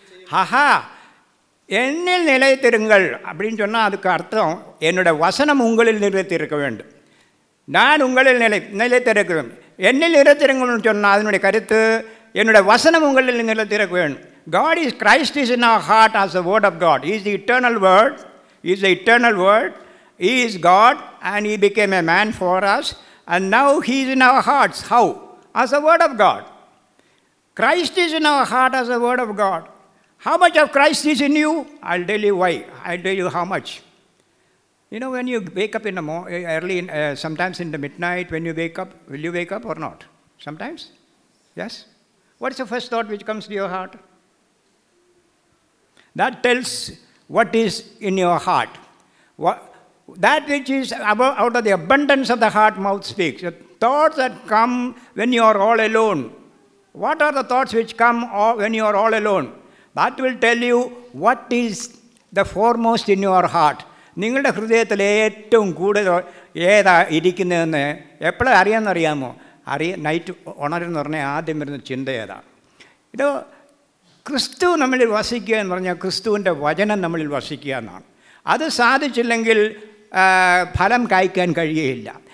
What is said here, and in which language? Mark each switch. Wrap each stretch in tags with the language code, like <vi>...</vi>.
<ta>Haha, என்னில் நிலைத்திருங்கள் அப்படின்னு சொன்னால் அதுக்கு அர்த்தம் என்னோட வசனம் உங்களில் நிறுத்தியிருக்க வேண்டும். நான் உங்களில் நிலைத்திருக்க வேண்டும். என்னில் நிறுத்திருங்கள்னு சொன்னால் அதனுடைய கருத்து என்னோட வசனம் உங்களில் நிலைத்திருக்க வேண்டும்.</ta> <en>God is Christ is in our heart as the word of God. He is the eternal word. He is the eternal word. He is God and he became a man for us. And now he is in our hearts. How? As the word of God. Christ is in our heart as the word of God. How much of Christ is in you? I'll tell you why. I'll tell you how much. You know, when you wake up in the sometimes in the midnight, when you wake up, will you wake up or not? Sometimes? Yes? What's the first thought which comes to your heart? That tells what is in your heart. That which is out of the abundance of the heart, mouth speaks. The thoughts that come when you are all alone. What are the thoughts which come when you are all alone? That will tell you what is the foremost in your heart.</en> <ml>നിങ്ങളുടെ ഹൃദയത്തിൽ ഏറ്റവും കൂടുതൽ ഏതാ ഇരിക്കുന്നതെന്ന് എപ്പോഴും അറിയാമെന്നറിയാമോ? Night ഉണരെന്ന് പറഞ്ഞാൽ ആദ്യം വരുന്ന ചിന്ത ഏതാ? ഇത് ക്രിസ്തു നമ്മളിൽ വസിക്കുക എന്ന് പറഞ്ഞാൽ ക്രിസ്തുവിൻ്റെ വചനം നമ്മളിൽ വസിക്കുക എന്നാണ്. അത് സാധിച്ചില്ലെങ്കിൽ ഫലം കായ്ക്കാൻ കഴിയുകയില്ല.</ml>